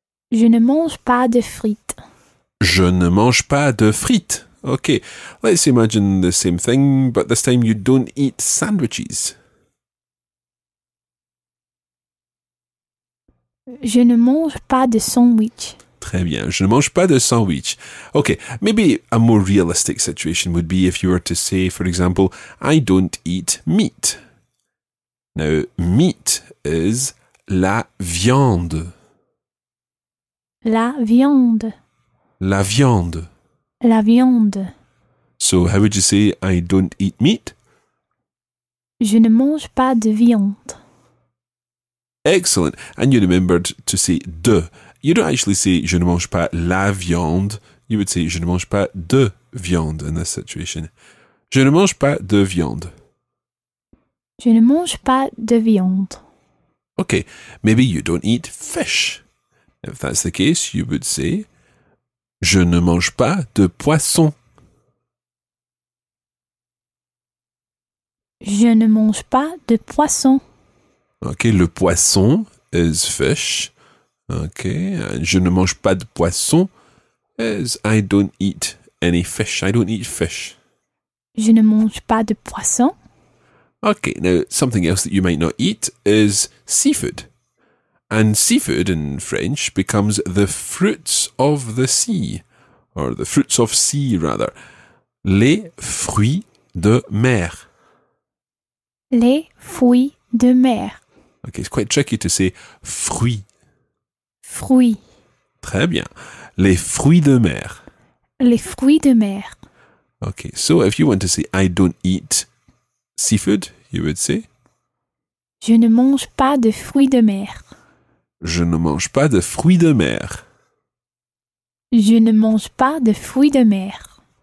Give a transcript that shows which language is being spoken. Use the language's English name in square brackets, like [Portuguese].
[French] Je ne mange pas de frites. Je ne mange pas de frites. [English] Okay, let's imagine the same thing, but this time you don't eat sandwiches. [French] Je ne mange pas de sandwich. Très bien, je ne mange pas de sandwich. [English] Okay, maybe a more realistic situation would be if you were to say, for example, I don't eat meat. Now, meat is la viande. [French] La viande. La viande. La viande. [English] So how would you say I don't eat meat? [French] Je ne mange pas de viande. [English] Excellent. And you remembered to say de. You don't actually say [French] je ne mange pas la viande. [English] You would say [French] je ne mange pas de viande [English] in this situation. [French] Je ne mange pas de viande. Je ne mange pas de viande. [English] Okay. Maybe you don't eat fish. If that's the case, you would say [French] je ne mange pas de poisson. Je ne mange pas de poisson. [English] Ok, [French] le poisson [English] is fish. Ok, [French] je ne mange pas de poisson [English] is I don't eat any fish. I don't eat fish. [French] Je ne mange pas de poisson. [English] Ok, now something else that you might not eat is seafood. And seafood in French becomes the fruits of the sea, or the fruits of sea, rather. [French] Les fruits de mer. Les fruits de mer. [English] Okay, it's quite tricky to say fruits. [French] Fruits. Très bien. Les fruits de mer. Les fruits de mer. [English] Okay, so if you want to say I don't eat seafood, you would say [French] je ne mange pas de fruits de mer. Je ne mange pas de fruits de mer. Je ne mange pas de fruits de mer.